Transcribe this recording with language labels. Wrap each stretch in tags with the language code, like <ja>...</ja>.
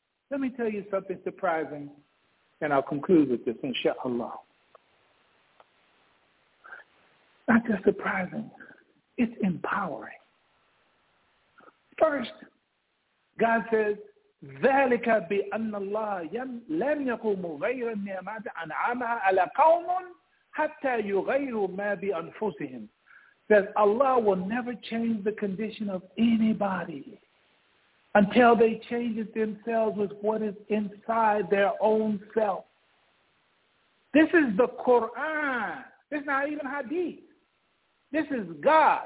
<en>Let me tell you something surprising, and I'll conclude with this, inshallah. Not just surprising, it's empowering. First, God says,</en> <ar>ذَلِكَ بِأَنَّ اللَّهَ لَمْ يَقُمْ مُغَيْرًا نِعْمَةَ أَنْعَمَهَا عَلَى قَوْمٌ حَتَّى يُغَيْرُوا مَا بِأَنفُسِهِمْ.</ar> <en>Says Allah will never change the condition of anybody until they change it themselves with what is inside their own self. This is the Quran. This is not even hadith. This is God.</en>